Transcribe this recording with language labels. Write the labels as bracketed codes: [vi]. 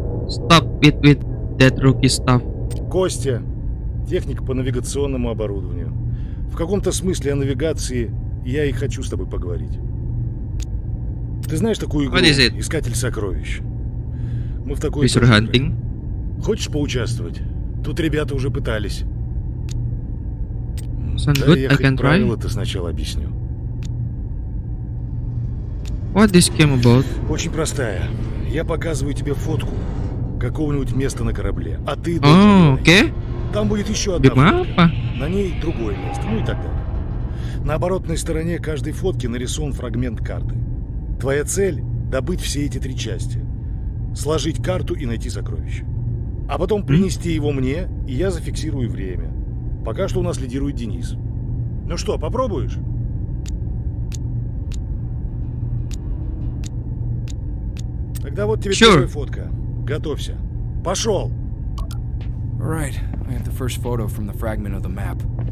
[en] Stop it with that rookie stuff. [ru] Костя, техник по навигационному оборудованию. В каком-то смысле о навигации я и хочу с тобой поговорить. Ты знаешь такую игру «Искатель сокровищ»? Мы в такой игре. [en] Hunting? [ru] Хочешь поучаствовать? Тут ребята уже пытались. [en] Sound good, [ru] да, я хоть правила-то сначала объясню. [en] What this game about? [ru] Очень простая. Я показываю тебе фотку какого-нибудь места на корабле, а ты должен... Окей. Там будет еще одна фотка. На ней другое место. Ну и так далее. На оборотной стороне каждой фотки нарисован фрагмент карты. Твоя цель – добыть все эти три части. Сложить карту и найти сокровище. А потом принести его мне, и я зафиксирую время. Пока что у нас лидирует Денис. Ну что, попробуешь? Тогда вот тебе первая фотка. Готовься. Пошел. [en] Right. I have the first photo from the fragment of the map.